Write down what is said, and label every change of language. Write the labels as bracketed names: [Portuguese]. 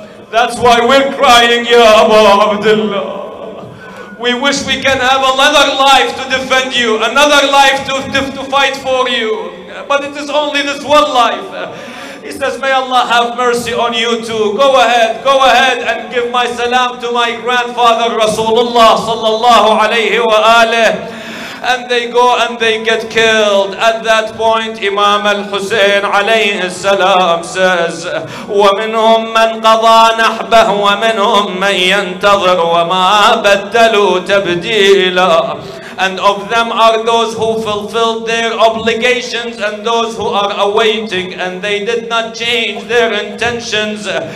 [English] That's why we're crying, Ya Aba Abdullah. We wish we can have another life to defend you, another life to fight for you. But it is only this one life. He says, may Allah have mercy on you too. Go ahead and give my salam to my grandfather, Rasulullah sallallahu alayhi wa alayh. And they go and they get killed. At that point, Imam al-Hussein alayhi salam says, [Arabic] وَمِنْهُمْ مَنْ قَضَى نَحْبَهُ وَمِنْهُمْ مَنْ يَنْتَظِرُ وَمَا بَدَّلُوا تَبْدِيلًا. [English] And of them are those who fulfilled their obligations and those who are awaiting, and they did not change their intentions.